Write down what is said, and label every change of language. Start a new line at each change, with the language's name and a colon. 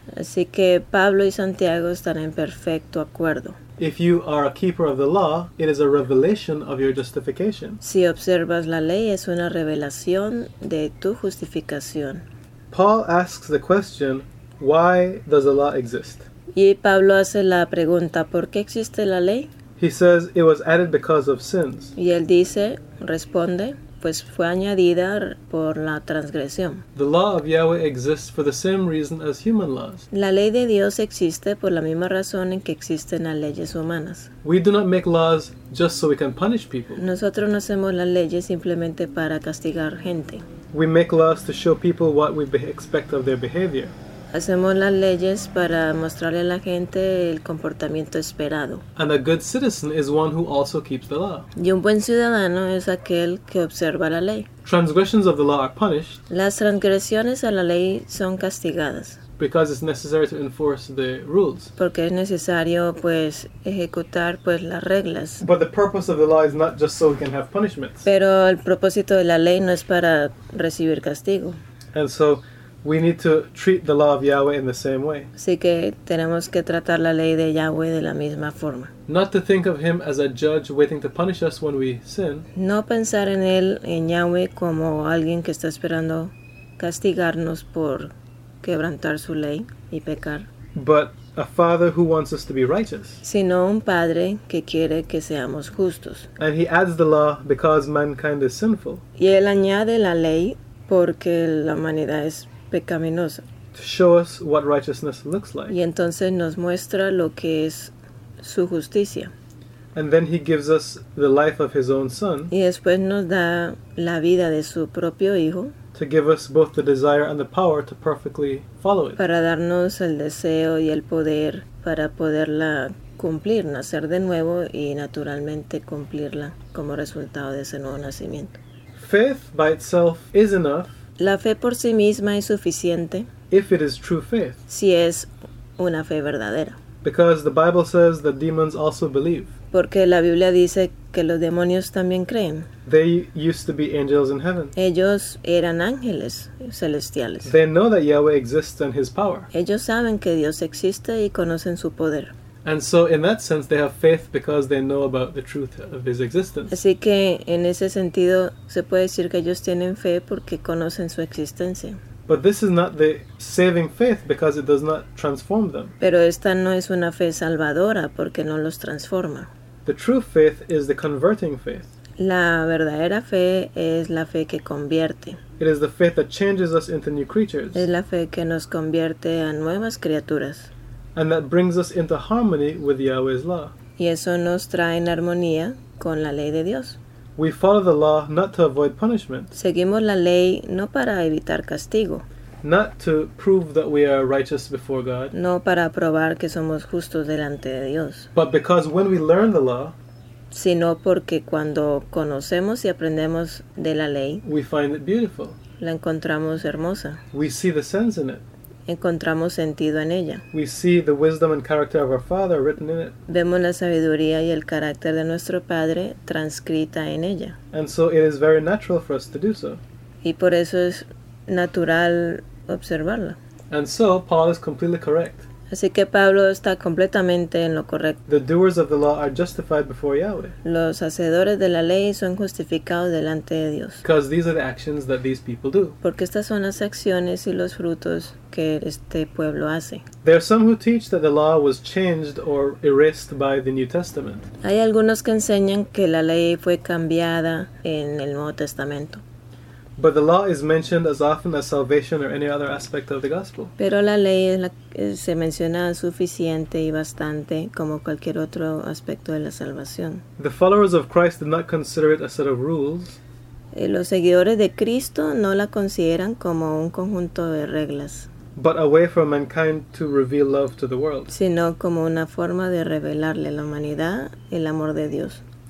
Spanish: Así que Pablo y Santiago están en perfecto acuerdo.
English: If you are a keeper of the law, it is a revelation of your justification.
Spanish: Si observas la ley, es una revelación de tu justificación.
English: Paul asks the question, why does the law exist?
Spanish: Y Pablo hace la pregunta, ¿por qué existe la ley?
English: He says, it was added because of sins.
Spanish: Y él dice, responde, pues fue añadida por la transgresión.
English: The law of Yahweh exists for the same reason as human laws.
Spanish: La ley de Dios existe por la misma razón en que existen las leyes humanas.
English: We do not make laws just so we can punish people.
Spanish: Nosotros no hacemos las leyes simplemente para castigar gente.
English: We make laws to show people what we expect of their behavior.
Spanish: Hacemos las leyes para mostrarle a la gente el comportamiento esperado.
English: And a good citizen is one who also keeps the law.
Spanish: Y un buen ciudadano es aquel que observa la ley.
English: Transgressions of the law are punished.
Spanish: Las transgresiones a la ley son castigadas.
English: Because it's necessary to enforce the rules.
Spanish: Porque es necesario pues ejecutar pues las reglas.
English: But the purpose of the law is not just so we can have punishments.
Spanish: Pero el propósito de la ley no es para recibir castigo.
English: And so we need to treat the law of Yahweh in the same way.
Spanish: Así que tenemos que tratar la ley de Yahweh de la misma forma.
English: Not to think of him as a judge waiting to punish us when we sin.
Spanish: No pensar en él, en Yahweh, como alguien que está esperando castigarnos por quebrantar su ley y pecar.
English: But a father who wants us to be righteous.
Spanish: Sino un padre que quiere que seamos justos.
English: And he adds the law because mankind is sinful.
Spanish: Y él añade la ley porque la humanidad es pecaminosa.
English: To show us what righteousness looks like.
Spanish: Y entonces nos muestra lo que es su justicia.
English: And then he gives us the life of his own son.
Spanish: Y después nos da la vida de su propio hijo.
English: To give us both the desire and the power to perfectly follow it.
Spanish: Para darnos el deseo y el poder para poderla cumplir, nacer de nuevo y naturalmente cumplirla como resultado de ese nuevo nacimiento.
English: Faith by itself is enough.
Spanish: La fe por sí misma es suficiente.
English: If it is true faith.
Spanish: Si es una fe verdadera.
English: Because the Bible says that demons also believe.
Spanish: Porque la Biblia dice que los demonios también creen.
English: They used to be angels in heaven.
Spanish: Ellos eran ángeles celestiales.
English: They know that Yahweh exists and his power.
Spanish: Ellos saben que Dios existe y conocen su poder.
English: And so in that sense they have faith because they know about the truth of his existence.
Spanish: Así que en ese sentido se puede decir que ellos tienen fe porque conocen su existencia.
English: But this is not the saving faith because it does not transform them.
Spanish: Pero esta no es una fe salvadora porque no los transforma.
English: The true faith is the converting faith.
Spanish: La verdadera fe es la fe que convierte.
English: It is the faith that changes us into new creatures.
Spanish: Es la fe que nos convierte a nuevas criaturas.
English: And that brings us into harmony with Yahweh's law.
Spanish: Y eso nos trae en armonía con la ley de Dios.
English: We follow the law not to avoid punishment.
Spanish: Seguimos la ley no para evitar castigo.
English: Not to prove that we are righteous before God.
Spanish: No para probar que somos justos delante de Dios.
English: But because when we learn the law,
Spanish: sino porque cuando conocemos y aprendemos de la ley,
English: we find it beautiful.
Spanish: La encontramos hermosa.
English: We see the sense in it.
Spanish: Encontramos sentido en ella.
English: We see the wisdom and character of our Father written in it.
Spanish: Vemos la sabiduría y el carácter de nuestro Padre transcrita en ella.
English: And so it is very natural for us to do so.
Spanish: Y por eso es natural observarla.
English: And so Paul is completely correct.
Spanish: Así que Pablo está completamente en lo correcto.
English: The doers of the law are justified before Yahweh.
Spanish: Los hacedores de la ley son justificados delante de Dios.
English: Because these are the actions that these people do.
Spanish: Porque estas son las acciones y los frutos que este pueblo hace.
English: There are some who teach that the law was changed or erased by the New Testament.
Spanish: Hay algunos que enseñan que la ley fue cambiada en el Nuevo Testamento.
English: But the law is mentioned as often as salvation or any other aspect of the gospel.
Spanish: Pero la ley se menciona suficiente y bastante como cualquier otro aspecto de la salvación.
English: The followers of Christ did not consider it a set of rules.
Spanish: Los seguidores de Cristo no la consideran como un conjunto de reglas.
English: But a way for mankind to reveal love to the world.
Spanish: Sino como una forma de revelarle a la humanidad el amor de Dios.